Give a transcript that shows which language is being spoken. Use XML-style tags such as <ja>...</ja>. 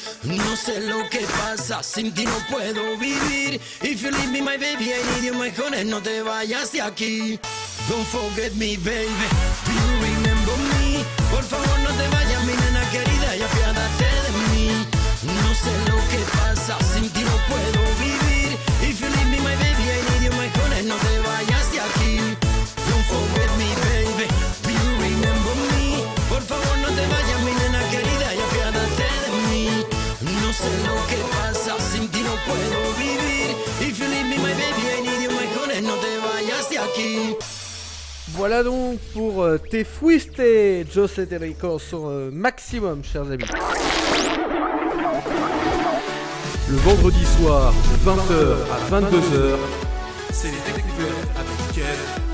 <es>No sé lo que pasa, sin ti no puedo vivir.</es> <en>If you leave me, my baby, I need you, my honey,</en> <es>no te vayas de aquí.</es> <en>Don't forget me, baby, do you remember me?</en> <es>Por favor, no te vayas, mi nena querida, y apiádate de mí. No sé lo que pasa, sin ti no puedo vivir.</es> <en>If you leave me, my baby, I need you, my honey,</en> <es>no te vayas de aquí.</es> <en>Don't forget me, baby, do you remember me?</en> <es>Por favor, no te vayas, mi nena querida, y apiádate de mí. No sé lo que pasa, sin ti no puedo vivir.</es> <en>If you leave me, my baby, I need you, my honey,</en> <es>no te vayas de aquí.</es> <fr>Voilà donc pour Te Fuiste, José de Rico, sur Maximum, chers amis. Le vendredi soir, 20h à 22h, c'est les Techniques avec Kev</fr>